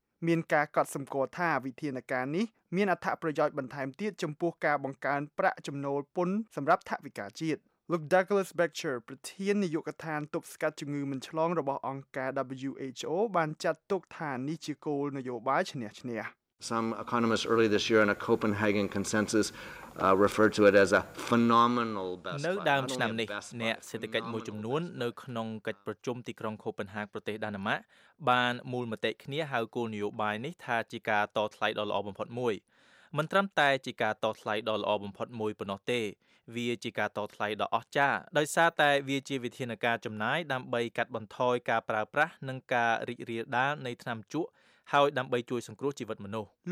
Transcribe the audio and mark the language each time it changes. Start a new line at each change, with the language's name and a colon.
Khmer: មានការកត់សម្គាល់ថាវិធានការនេះមានអត្ថប្រយោជន៍បន្ថែមទៀតចំពោះការបង្កើនប្រាក់ចំណូលពន្ធសម្រាប់ថវិកាជាតិលោក Douglas Becker ប្រធាននាយកដ្ឋានទប់ស្កាត់ជំងឺមិនឆ្លងរបស់អង្គការ WHO បានចាត់ទុកថានេះជាគោលនយោបាយឈ្នះឈ្នះ
English: Some economists early this year in a Copenhagen consensusreferred to it as a phenomenal best
Khmer: នៅដើមឆ្នាំនេះអ្នកសេដ្ឋកិច្ចមួយចំនួននៅក្នុងកិច្ចប្រជុំទីក្រុងខូបិនហាគប្រទេសដាណឺម៉ាកបានមូលមតិគ្នាហៅគោលនយោបាយនេះថាជាការតថ្លៃដ៏ល្អបំផុតមួយមិនត្រឹមតែជាការតថ្លៃដ៏ល្អបំផុតមួយប៉ុណ្ណោះទេវាជាការតថ្លៃដ៏អស្ចារ្យដោយសារតែវាជាវិធានការចំណាយដើម្បីកាត់បន្ថយការប្រើប្រាស់និងការរីករាលដាលនៃថ្នាំជក់ហើយដើម្បីជួយសង្គ្រោះជីវិតមនុស្ស